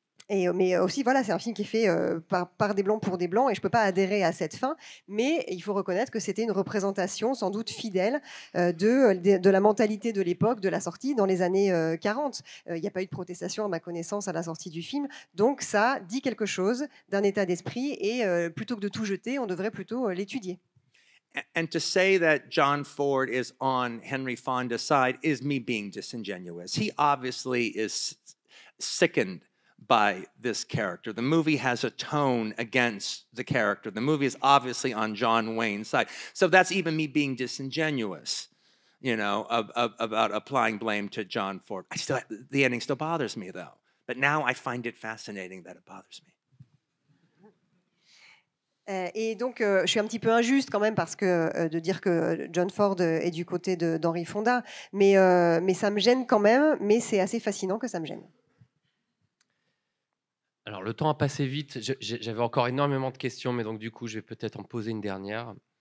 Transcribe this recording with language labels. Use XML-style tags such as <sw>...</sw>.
<fr>Mais aussi, voilà, c'est un film qui est fait par des blancs pour des blancs, et je ne peux pas adhérer à cette fin, mais il faut reconnaître que c'était une représentation sans doute fidèle de la mentalité de l'époque, de la sortie dans les années 40. Il n'y a pas eu de protestation, à ma connaissance, à la sortie du film, donc ça dit quelque chose d'un état d'esprit, et plutôt que de tout jeter, on devrait plutôt l'étudier.</fr> <en>And to say that John Ford is on Henry Fonda's side is me being disingenuous. He obviously is sickened by this character. The movie has a tone against the character. The movie is obviously on John Wayne's side. So that's even me being disingenuous, about applying blame to John Ford. The ending still bothers me, though. But now I find it fascinating that it bothers me.</en> <fr>Et donc, je suis un petit peu injuste quand même parce que de dire que John Ford est du côté d'Henry Fonda, mais ça me gêne quand même, mais c'est assez fascinant que ça me gêne. Alors, le temps a passé vite. J'avais encore énormément de questions, mais donc, du coup, je vais peut-être en poser une dernière.</fr>